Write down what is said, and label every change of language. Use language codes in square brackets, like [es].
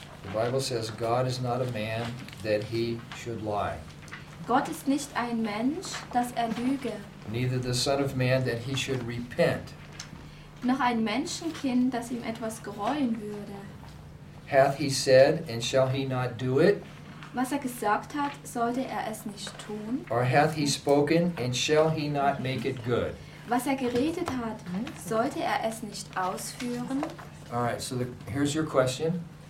[en] The Bible says, God is not a man that he should lie. [de] Gott ist nicht ein Mensch, dass er lüge. [en] Neither the son of man that he should repent. [de] Noch ein Menschenkind, dass ihm etwas gereuen würde. [en] Hath he said, and shall he not do it? [de] Was gesagt hat, sollte es nicht tun? [en] Or hath he spoken, and shall he not make it good? [de] Was geredet hat, sollte es nicht ausführen? [en] All right, so here's your question.